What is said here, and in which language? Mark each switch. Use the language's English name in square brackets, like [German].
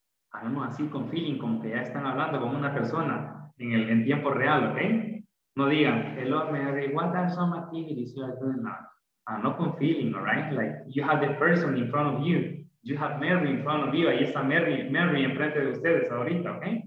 [Spanish] Hablamos así con feeling, como que ya están hablando con una persona en tiempo real, ¿ok? No digan, [English] hello Mary, what are some activities you are doing now? Not con feeling, all right? Like, you have the person in front of you. You have Mary in front of you. [Spanish] Ahí está Mary en frente de ustedes ahorita, ¿ok?